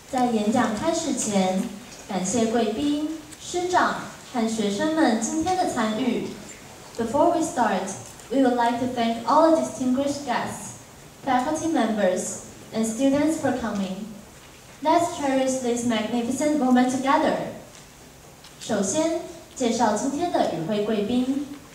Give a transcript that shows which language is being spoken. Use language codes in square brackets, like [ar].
[zh] 演讲开始前，感谢贵宾、师长和学生们今天的参与。 [en] Before we start, we would like to thank all the distinguished guests, faculty members, and students for coming. Let's cherish this magnificent moment together. [zh] 首先，介绍今天的与会贵宾。